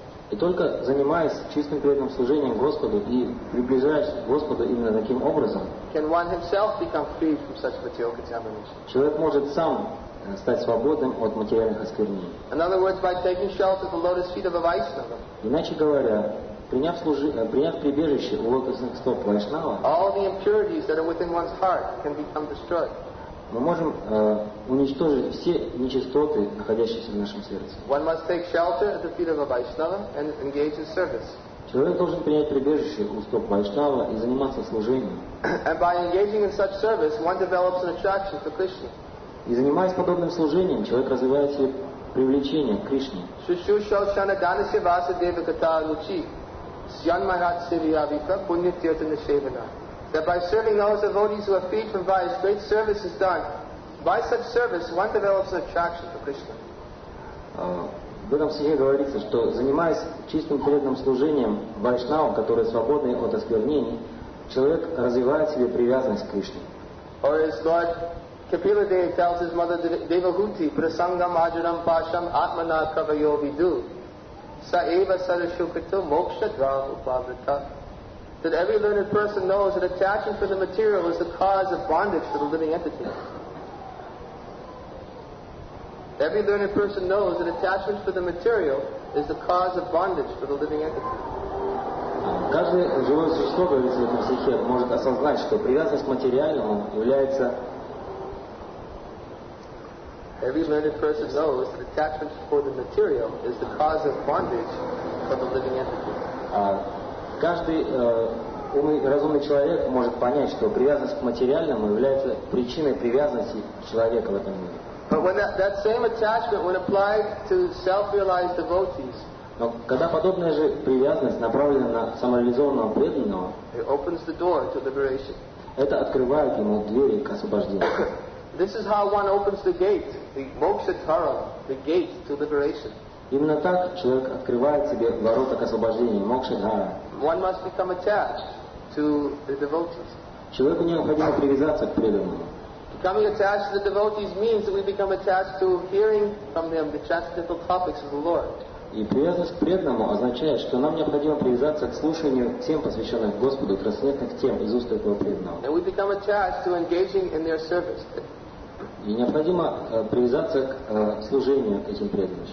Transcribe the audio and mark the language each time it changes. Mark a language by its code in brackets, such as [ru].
[ru] И только занимаясь чистым преданным служением Господу и приближаясь к Господу именно таким образом, человек может сам стать свободным от материальных осквернений. [en] In other words, by taking shelter at the lotus feet of a Vaishnava. [ru] Иначе говоря, приняв прибежище у лотосных стоп Вайшнава, [en] all the impurities that are within one's heart can become destroyed. [ru] Мы можем уничтожить все нечистоты, находящиеся в нашем сердце. [en] One must take shelter at the feet of a Vaishnava and engage in service. [ru] Человек должен принять прибежище у стоп Вайшнава и заниматься служением. [en] And by engaging in such service, one develops an attraction for Krishna. [ru] И занимаясь подобным служением, человек развивает себе привлечение к Кришне. [en] That by serving those devotees who are freed from vice, great service is done. By such service, one develops an attraction for Krishna. [ru] В этом стихе говорится, что занимаясь чистым преданным служением вайшнавам, которые свободны от осквернений, человек развивает себе привязанность к Кришне. [en] Or is God Kapila Dev tells his mother Devahuti, [sa] Prasangam Ajaram Pasham Atmana Kavayo Vidu, Sa Eva Sarashukrita Moksha Dram Upavrita. [en] That every learned person knows that attachment for the material is the cause of bondage for the living entity. Every learned person knows that attachment for the material is the cause of bondage for the living entity. [ru] Каждое живое существо, говорит в этом стихе, может осознать, что привязанность к материальному является. [en] Every learned person knows that attachment for the material is the cause of bondage for the living entity. [ru] Каждый разумный человек может понять, что привязанность к материальному является причиной привязанности человека в этом мире. [en] But when that same attachment, when applied to self-realized devotees, [ru] но когда подобная же привязанность направлена на самореализованного преданного, [en] it opens the door to liberation. [ru] Это открывает ему двери к освобождению. [en] This is how one opens the gate, the moksha dvara, the gate to liberation. [ru] Именно так человек открывает себе ворота к освобождению, мокша дхара. [en] One must become attached to the devotees. [ru] Человеку необходимо привязаться к преданному. [en] Becoming attached to the devotees means that we become attached to hearing from them the transcendental topics of the Lord. [ru] И привязанность к преданному означает, что нам необходимо привязаться к слушанию тем, посвященных Господу, трансцендентных тем из уст этого преданного. [en] And we become attached to engaging in their service. [ru] И необходимо привязаться к служению этим преданным.